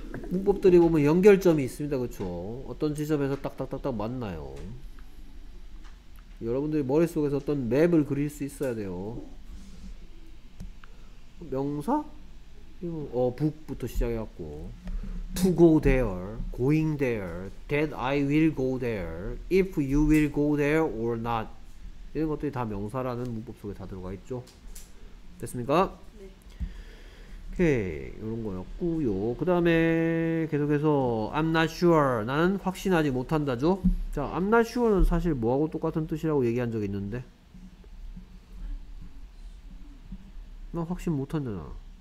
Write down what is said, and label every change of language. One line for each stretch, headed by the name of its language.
Korean: 문법들이 보면 연결점이 있습니다. 그렇죠? 어떤 지점에서 딱딱딱딱 만나요. 여러분들이 머릿속에서 어떤 맵을 그릴 수 있어야 돼요. 명사? 북부터 시작해갖고
English: To go there, going there, that I will go there, if you will go there or not.
Korean: 이런 것들이 다 명사라는 문법 속에 다 들어가 있죠. 됐습니까? 오케이, 이런 거였고요. 그 다음에 계속해서
English: I'm not sure.
Korean: 나는 확신하지 못한다죠. 자,
English: I'm not sure
Korean: 는 사실 뭐하고 똑같은 뜻이라고 얘기한 적이 있는데, 나 확신 못하잖아.